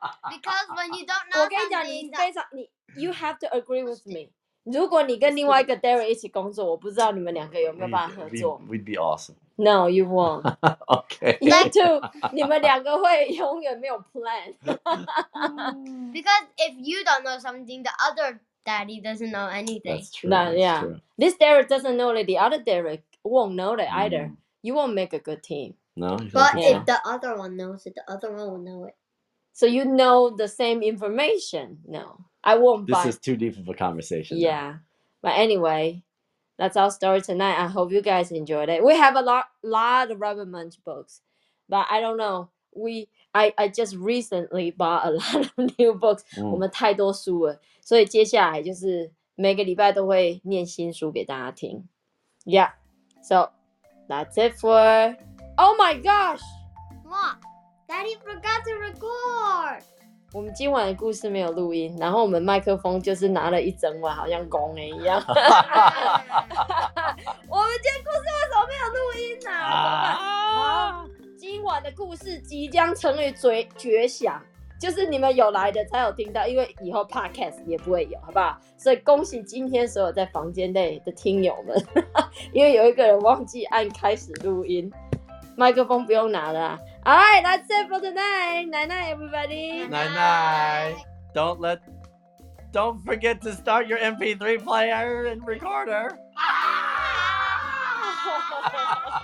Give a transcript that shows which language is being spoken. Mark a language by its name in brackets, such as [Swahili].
[English] Because when you don't know something, [Chinese] 我跟你讲，你非常你 [English] ，you have to agree with me. [Chinese] 如果你跟另外一个 Darren 一起工作，我不知道你们两个有没有办法合作。 [English] We'd be awesome. No, you won't. Okay. You too. [Chinese] 你们两个会永远没有 plan. [English] Because if you don't know something, the other daddy doesn't know anything. That's true. That's true. This Derek doesn't know that the other Derek won't know that either. You won't make a good team. No. But if the other one knows it, the other one will know it. So you know the same information? No. I won't buy. This is too deep of a conversation. Yeah. Though. But anyway... That's our story tonight. I hope you guys enjoyed it. We have a lot of Rubber Munch books, but I don't know. I just recently bought a lot of new books. [Chinese] 我们太多书了，所以接下来就是每个礼拜都会念新书给大家听。 [English] Yeah, so that's it for. Oh my gosh! What? Daddy forgot to record. [Chinese] 我们今晚的故事没有录音，然后我们麦克风就是拿了一整晚，好像公的一样。我们今天故事为什么没有录音呢、啊？今晚的故事即将成为绝响，就是你们有来的才有听到，因为以后 podcast 也不会有，好不好？所以恭喜今天所有在房间内的听友们，因为有一个人忘记按开始录音，麦克风不用拿了、啊。 [English] All right, that's it for tonight. Night night, everybody. Night night. Don't forget to start your MP3 player and recorder.